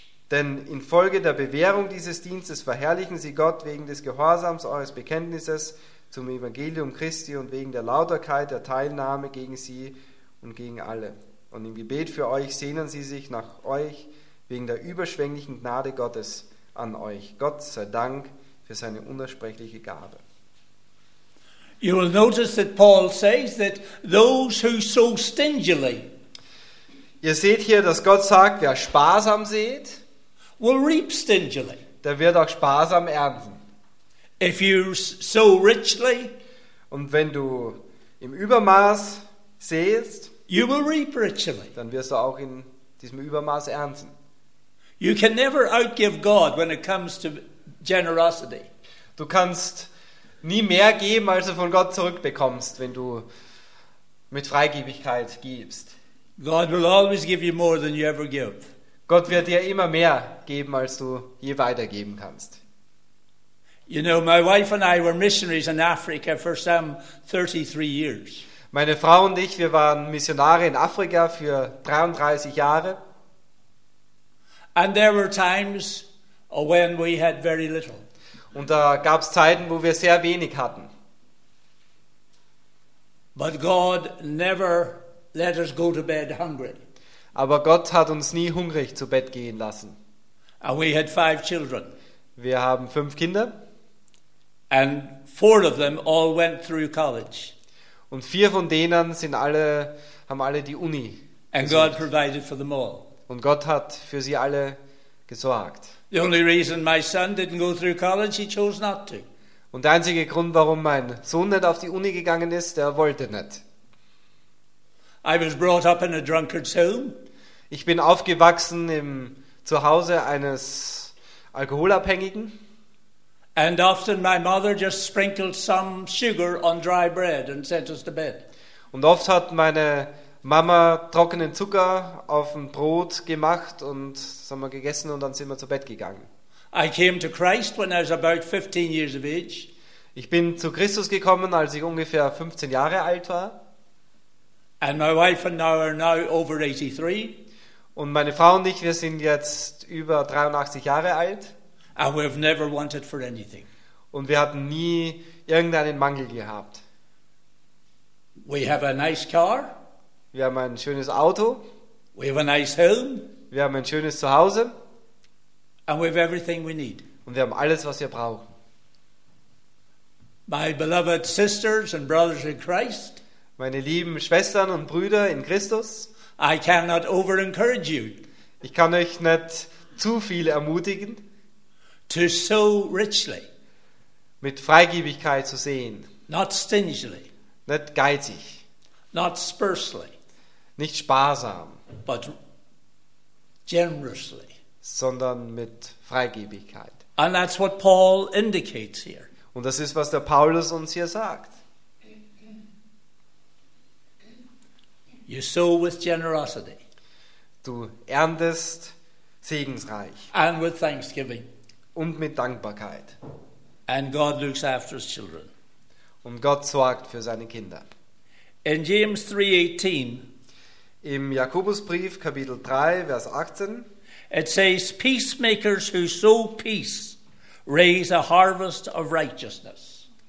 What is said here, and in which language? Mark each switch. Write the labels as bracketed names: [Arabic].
[German] Denn infolge der Bewährung dieses Dienstes verherrlichen sie Gott wegen des Gehorsams eures Bekenntnisses zum Evangelium Christi und wegen der Lauterkeit der Teilnahme gegen sie und gegen alle. Und im Gebet für euch sehnen sie sich nach euch wegen der überschwänglichen Gnade Gottes an euch. Gott sei Dank für seine unaussprechliche Gabe. [English] You will notice that Paul says that those who sow stingily, [German] ihr seht hier, dass Gott sagt, wer sparsam sät, [English] will reap stingily, [German] der wird auch sparsam ernten. [English] If you sow richly, [German] und wenn du im Übermaß säst, [English] you will reap richly, [German] dann wirst du auch in diesem Übermaß ernten. [English] You can never outgive God when it comes to generosity. [German] Du kannst nie mehr geben, als du von Gott zurückbekommst, wenn du mit Freigebigkeit gibst. [English] God will always give you more than you ever give. [German] Gott wird dir immer mehr geben, als du je weitergeben kannst. [English] You know, my wife and I were missionaries in Africa for some 33 years. [German] Meine Frau und ich, wir waren Missionare in Afrika für 33 Jahre. [English] And there were times when we had very little. [German] Und da gab es Zeiten, wo wir sehr wenig hatten. [English] But God never let us go to bed hungry. [German] Aber Gott hat uns nie hungrig zu Bett gehen lassen. [English] And we had 5 children. [German] Wir haben 5 Kinder. [English] And 4 of them all went through college. [German] Und 4 von denen sind alle, haben alle die Uni. [English] And God provided for them all. [German] Und Gott hat für sie alle gesorgt. [English] The only reason my son didn't go through college, he chose not to. [German] Und der einzige Grund, warum mein Sohn nicht auf die Uni gegangen ist, der wollte nicht. [English] I was brought up in a drunkard's home. [German] Ich bin aufgewachsen im Zuhause eines Alkoholabhängigen. [English] And often my mother just sprinkled some sugar on dry bread and sent us to bed. [German] Und oft hat meine Mama trockenen Zucker auf ein Brot gemacht und haben wir gegessen und dann sind wir zu Bett gegangen. [English] I came to Christ when I was about 15 years of age. [German] Ich bin zu Christus gekommen, als ich ungefähr 15 Jahre alt war. [English] And my wife and I are now over 83. [German] Und meine Frau und ich, wir sind jetzt über 83 Jahre alt. [English] And we've never wanted for anything. [German] Und wir hatten nie irgendeinen Mangel gehabt. [English] We have a nice car. [German] Wir haben ein schönes Auto. [English] We have a nice home. [German] Wir haben ein schönes Zuhause. [English] And we have everything we need. [German] Und wir haben alles, was wir brauchen. [English] My beloved sisters and brothers in Christ. [German] Meine lieben Schwestern und Brüder in Christus. [English] I cannot over encourage you. [German] Ich kann euch nicht zu viel ermutigen. [English] To sow richly. [German] Mit Freigebigkeit zu sehen. [English] Not stingily. [German] Nicht geizig. [English] Not sparsely, [German] nicht sparsam, [English] but generously, [German] sondern mit Freigebigkeit. [English] And that's what Paul indicates here. [German] Und das ist, was der Paulus uns hier sagt. [English] You sow with generosity. [German] Du erntest segensreich. [English] And with thanksgiving. [German] Und mit Dankbarkeit. [English] And God looks after his children. [German] Und Gott sorgt für seine Kinder. [English] In James 3:18, [German] im Jakobusbrief Kapitel 3 Vers 18, [English] it says, peacemakers who sow peace raise a harvest of righteousness.